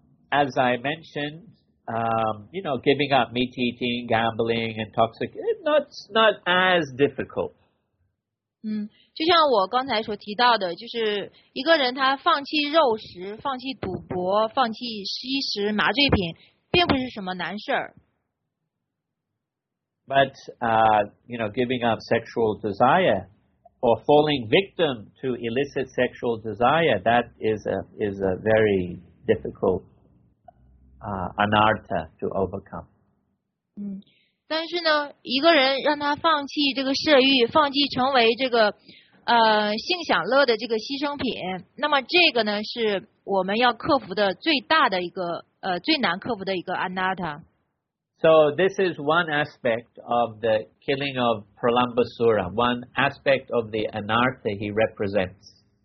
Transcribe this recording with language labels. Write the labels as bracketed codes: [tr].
[en] As I mentioned, you know, giving up meat eating, gambling, and toxic, not as difficult. [zh] 就像我刚才所提到的，就是一个人他放弃肉食、放弃赌博、放弃吸食麻醉品，并不是什么难事儿。 [en] But, you know, giving up sexual desire or falling victim to illicit sexual desire, that is a very difficult, anartha to overcome. [zh] 但是呢，一个人让他放弃这个色欲，放弃成为这个性享乐的这个牺牲品，那么这个呢是我们要克服的最大的一个最难克服的一个 anartha。 [en] So this is one aspect of the killing of Pralambasura, one aspect of the anartha he represents.